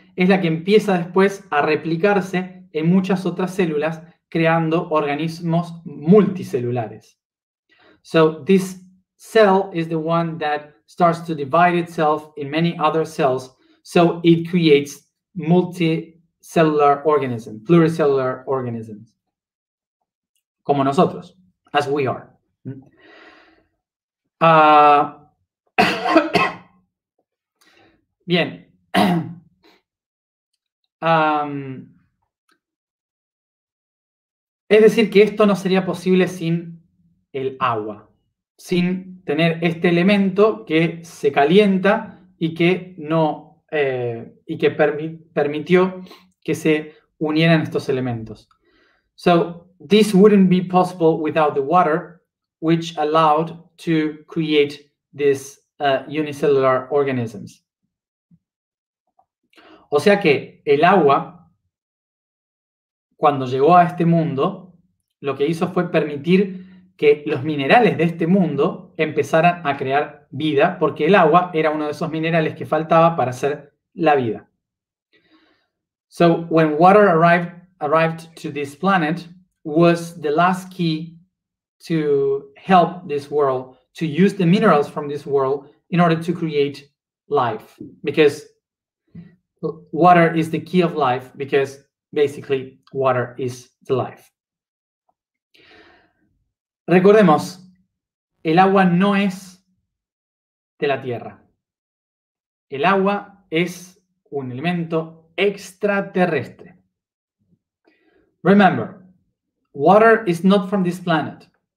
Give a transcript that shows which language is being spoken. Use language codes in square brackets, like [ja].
[es] Es la que empieza después a replicarse en muchas otras células, creando organismos multicelulares. [en] So this cell is the one that starts to divide itself in many other cells, so it creates multicellular organisms, pluricellular organisms. [es] como nosotros, [en] as we are. [es] bien. Es decir, que esto no sería posible sin el agua, sin tener este elemento que se calienta y que no y que permitió que se unieran estos elementos. [en] So this wouldn't be possible without the water, which allowed to create these unicellular organisms. [es] O sea que el agua, cuando llegó a este mundo, lo que hizo fue permitir que los minerales de este mundo empezaran a crear vida, porque el agua era uno de esos minerales que faltaba para hacer la vida. [en] So when water arrived to this planet, was the last key to help this world, to use the minerals from this world in order to create life. Because water is the key of life, because basically water is the life. [es] Recordemos, el agua no es de la Tierra. El agua es un elemento extraterrestre. [en] Remember, water is not from this planet.